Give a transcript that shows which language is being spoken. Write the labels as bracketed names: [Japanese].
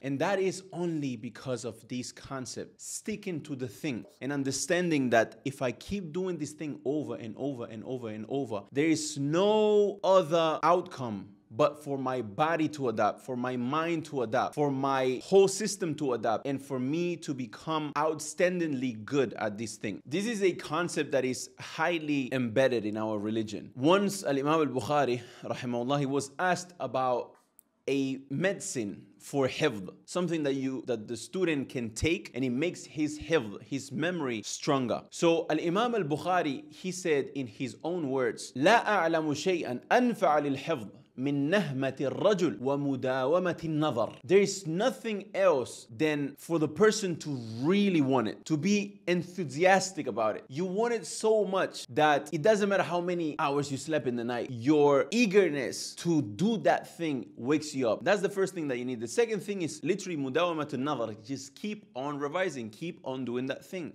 [English] And that is only because of this concept, sticking to the thing and understanding that if I keep doing this thing over and over and over and over, there is no other outcome but for my body to adapt, for my mind to adapt, for my whole system to adapt, and for me to become outstandingly good at this thing. This is a concept that is highly embedded in our religion. Once al-Imam al-Bukhari, rahimahullah, was asked about a medicine for hifz, something that the student can take and it makes his hifz, his memory, stronger. So al-Imam al-Bukhari, he said in his own words, [Arabic] لا أعلم شيئا أنفع للحفظ من نهمة الرجل ومداومة النظر. [English] There is nothing else than for the person to really want it, to be enthusiastic about it. You want it so much that it doesn't matter how many hours you slept in the night, your eagerness to do that thing wakes you up. That's the first thing that you need. The second thing is literally [Arabic] مداومة النظر. [English] Just keep on revising, keep on doing that thing.